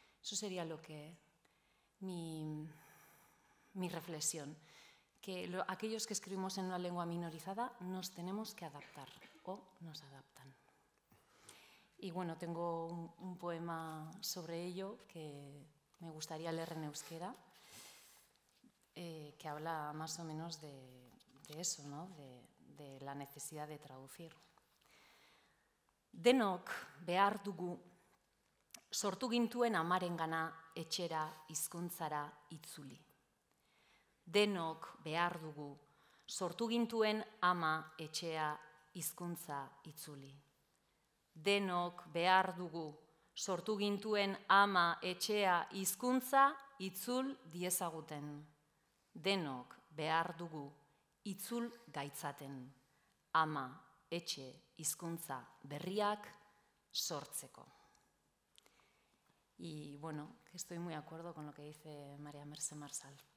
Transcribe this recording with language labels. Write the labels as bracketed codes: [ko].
[es] Eso sería lo que mi reflexión, que aquellos que escribimos en una lengua minorizada nos tenemos que adaptar o nos adaptan. Y bueno, tengo un poema sobre ello que me gustaría leer en euskera, que habla más o menos de eso, ¿no? De la necesidad de traducir. [eu] Denok behar dugu, sortu gintuen amarengana etxera hizkuntzara itzuli. Denok behar dugu, sortu gintuen ama etxea hizkuntza itzuli. Denok behar dugu, sortu gintuen ama etxea hizkuntza itzul diezaguten. Denok behar dugu, itzul gaitzaten, ama etxe hizkuntza berriak sortzeko. [es] Y bueno, estoy muy de acuerdo con lo que dice María Mercé Marsal.